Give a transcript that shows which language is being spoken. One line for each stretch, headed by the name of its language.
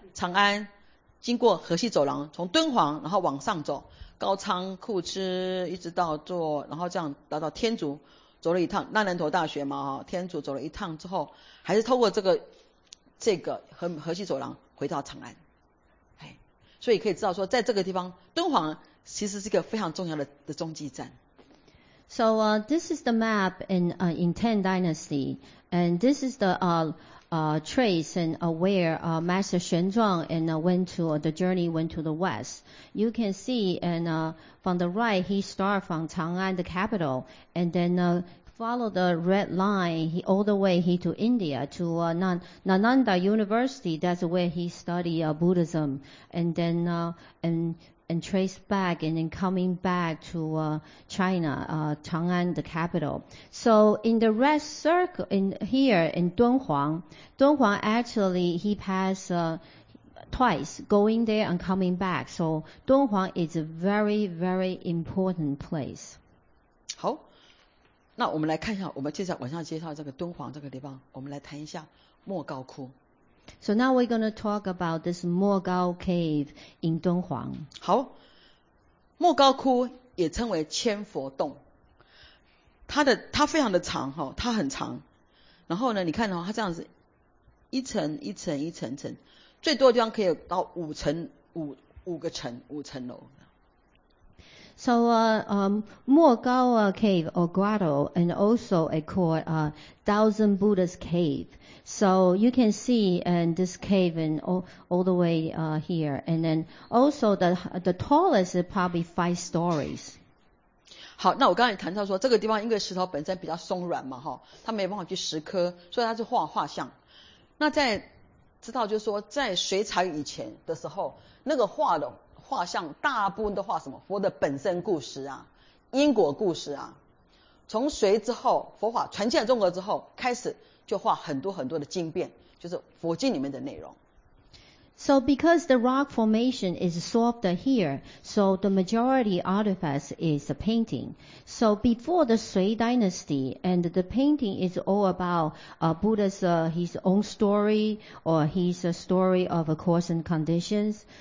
Chinese: 长安经过河西走廊，从敦煌然后往上走，高昌、库兹，一直到做，然后这样来到天竺，走了一趟那兰陀大学嘛哈，天竺走了一趟之后，还是透过这个河西走廊回到长安。哎，所以可以知道说，在这个地方，敦煌其实是一个非常重要的中继站。
English: So this is the map in Tang Dynasty, and this is the trace and where Master Xuanzang and went to the journey went to the west. You can see and from the right he start from Chang'an, the capital, and then followed the red line all the way to India to Nananda University. That's where he studied Buddhism, and then and trace back and then coming back to China, Chang'an, the capital. So in the red circle in here in Dunhuang, Dunhuang actually he passed twice, going there and coming back. So Dunhuang is a very, very important place.
Chinese: 好，那我们来看一下，我们接下来晚上介绍这个敦煌这个地方，我们来谈一下莫高窟。
English: So now we're going to talk about this Mogao Cave in Dunhuang.
Chinese: 好，莫高窟也称为千佛洞，它非常的长哈，它很长。然后呢，你看哦，它这样子一层一层一层层，最多的地方可以到五层五层楼。
English: So, Mogao Cave or Grotto, and also a called Thousand Buddhas Cave. So you can see and this cave and all the way here, and then also the tallest is probably 5 stories.
Chinese: 好，那我刚才谈到说这个地方因为石头本身比较松软嘛，哈，它没办法去石刻，所以它是画像。那在知道就是说在隋朝以前的时候，那个画像大部分都画什么？佛的本身故事啊，因果故事啊。从隋之后，佛法传进了中国之后，开始就画很多很多的经变，就是佛经里面的内容。
English: So because the rock formation is softer here, so the majority artifacts is a painting. So before the Sui dynasty, and the painting is all about Buddha's his own story or his story of a course and conditions.